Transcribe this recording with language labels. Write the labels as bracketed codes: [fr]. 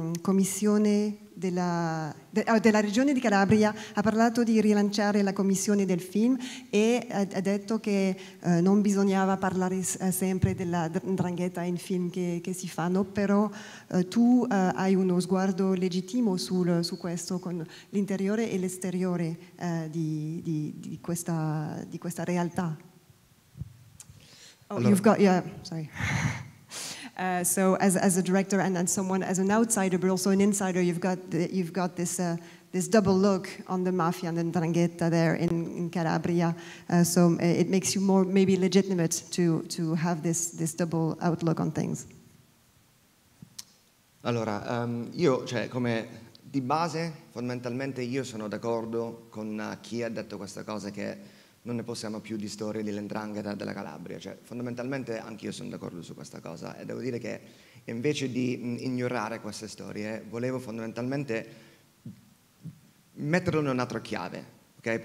[it] commissione della regione di Calabria ha parlato di rilanciare la commissione del film e ha detto che non bisognava parlare sempre della Ndrangheta in film che si fanno, però tu hai uno sguardo legittimo su questo, con l'interiore e l'esteriore di questa realtà. [en] Oh, you've got, yeah, sorry. So as a director and someone, as an outsider but also an insider, you've got this double look on the mafia and the 'Ndrangheta there in Calabria. So it makes you more maybe legitimate to have this double outlook on things. [it] Allora, io, cioè, come di base, fondamentalmente io sono d'accordo con chi ha detto questa cosa, che non ne possiamo più di storie di 'Ndrangheta della Calabria. Cioè, fondamentalmente anche io sono d'accordo su questa cosa, e devo dire che invece di ignorare queste storie volevo fondamentalmente metterlo in un'altra chiave, okay?